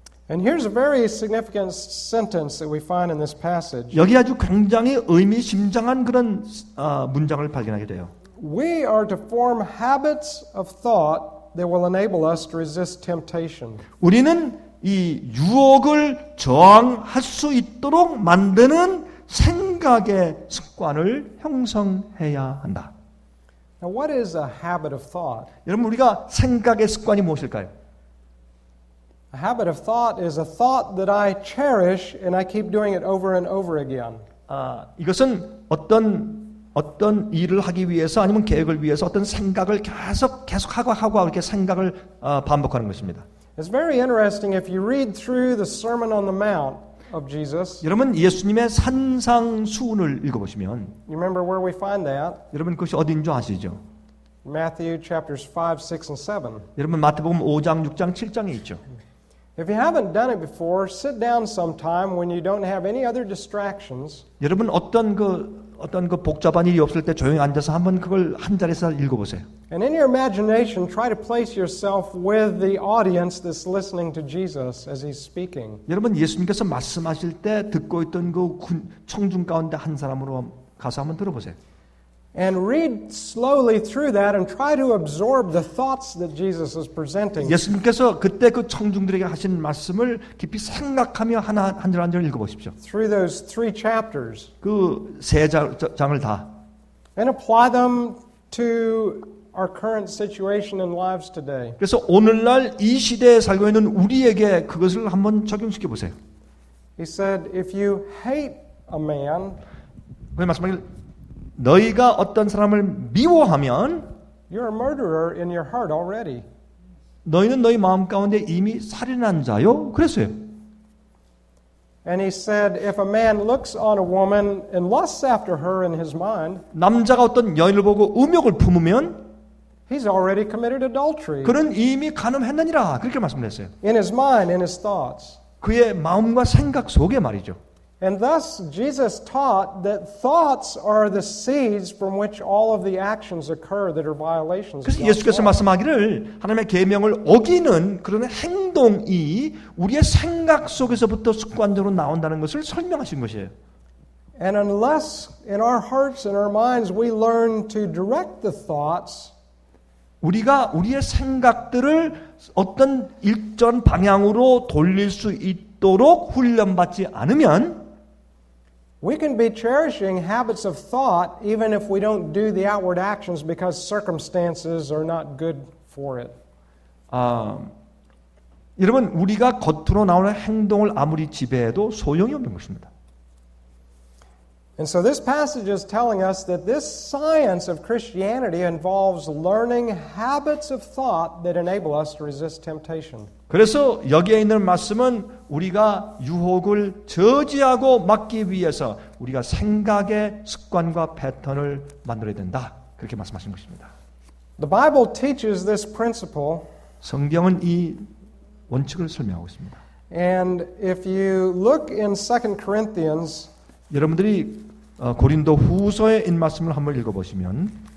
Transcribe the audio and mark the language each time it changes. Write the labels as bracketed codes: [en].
[en] And here's a very significant sentence that we find in this passage. [ko] 여기 아주 굉장히 의미심장한 그런 문장을 발견하게 돼요. [en] We are to form habits of thought that will enable us to resist temptation. [ko] 우리는 이 유혹을 저항할 수 있도록 만드는 생각의 습관을 형성해야 한다. [en] Now what is a habit of thought? [ko] 여러분 우리가 생각의 습관이 무엇일까요? [en] A habit of thought is a thought that I cherish and I keep doing it over and over again. [ko] 이것은 어떤 일을 하기 위해서 아니면 계획을 위해서 어떤 생각을 계속 하고 이렇게 생각을 반복하는 것입니다. [en] It's very interesting if you read through the Sermon on the Mount of Jesus. [ko] 여러분 예수님의 산상수훈을 읽어보시면. [en] You remember where we find that? [ko] 여러분 그것이 어디인 줄 아시죠? [en] Matthew chapters 5, 6, and 7. [ko] 여러분 마태복음 5장, 6장, 7장에 있죠. [en] If you haven't done it before, sit down sometime when you don't have any other distractions. [ko] 여러분 어떤 그 복잡한 일이 없을 때 조용히 앉아서 한번 그걸 한 자리에서 읽어보세요. [en] And in your imagination, try to place yourself with the audience that's listening to Jesus as he's speaking. [ko] 여러분 예수님께서 말씀하실 때 듣고 있던 그 청중 가운데 한 사람으로 가서 한번 들어보세요. [en] And read slowly through that and try to absorb the thoughts that Jesus is presenting. [ko] 예수님께서 그때 그 청중들에게 하신 말씀을 깊이 생각하며 하나 한절 한절 읽어보십시오. [en] Through those three chapters. [ko] 그 세 장을 다. [en] And apply them to our current situation and lives today. [ko] 그래서 오늘날 이 시대에 살고 있는 우리에게 그것을 한번 적용시켜 보세요. [en] He said, "If you hate a man." [ko] 그 말씀을 너희가 어떤 사람을 미워하면 [en] You're a murderer in your heart already. [ko] 너희는 너희 마음 가운데 이미 살인한 자요. 그랬어요. [en] And he said if a man looks on a woman and lusts after her in his mind [ko] 남자가 어떤 여인을 보고 음욕을 품으면 [en] He's already committed adultery. [ko] 그는 이미 간음했느니라. 그렇게 말씀을 했어요. [en] In his mind, in his thoughts. [ko] 그의 마음과 생각 속에 말이죠. [en] And thus Jesus taught that thoughts are the seeds from which all of the actions occur that are violations of God's law. [ko] 예수께서 말씀하기를 하나님의 계명을 어기는 그런 행동이 우리의 생각 속에서부터 습관적으로 나온다는 것을 설명하신 것이에요. [en] And unless in our hearts and our minds we learn to direct the thoughts [ko] 우리가 우리의 생각들을 어떤 일정 방향으로 돌릴 수 있도록 훈련받지 않으면 [en] We can be cherishing habits of thought even if we don't do the outward actions because circumstances are not good for it. [ko] 여러분 우리가 겉으로 나오는 행동을 아무리 지배해도 소용이 없는 것입니다. [en] And so this passage is telling us that this science of Christianity involves learning habits of thought that enable us to resist temptation. [ko] 그래서 여기에 있는 말씀은 우리가 유혹을 저지하고 막기 위해서 우리가 생각의 습관과 패턴을 만들어야 된다. 그렇게 말씀하신 것입니다. [en] The Bible teaches this principle. [ko] 성경은 이 원칙을 설명하고 있습니다. [en] And if you look in 2 Corinthians [ko] 여러분들이 고린도 후서의 이 말씀을 한번 읽어보시면